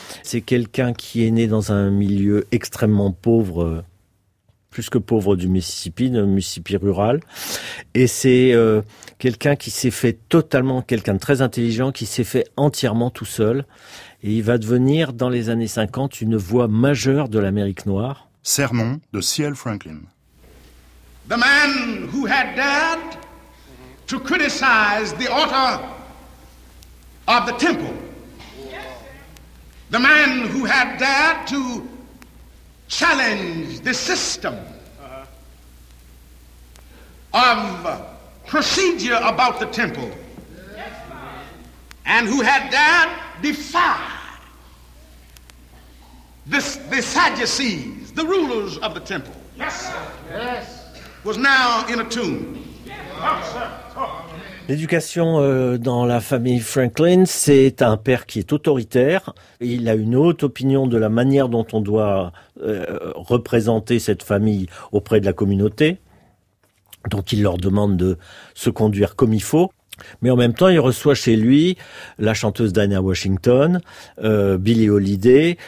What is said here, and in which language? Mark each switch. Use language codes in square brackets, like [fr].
[fr] C'est quelqu'un qui est né dans un milieu extrêmement pauvre, plus que pauvre du Mississippi, du Mississippi rural. Et c'est quelqu'un qui s'est fait totalement, quelqu'un de très intelligent, qui s'est fait entièrement tout seul. Et il va devenir, dans les années 50, une voix majeure de l'Amérique noire. Sermon de C.L. Franklin. [en] The man who had dared to criticize the altar of the temple. The man who had dared to challenge the system of procedure about the temple. And who had dared defy the Sadducees, the rulers of the temple. Yes, sir. Was now in a tomb. [fr] L'éducation dans la famille Franklin, c'est un père qui est autoritaire. Il a une haute opinion de la manière dont on doit représenter cette famille auprès de la communauté. Donc il leur demande de se conduire comme il faut. Mais en même temps, il reçoit chez lui la chanteuse Dinah Washington, Billie Holiday.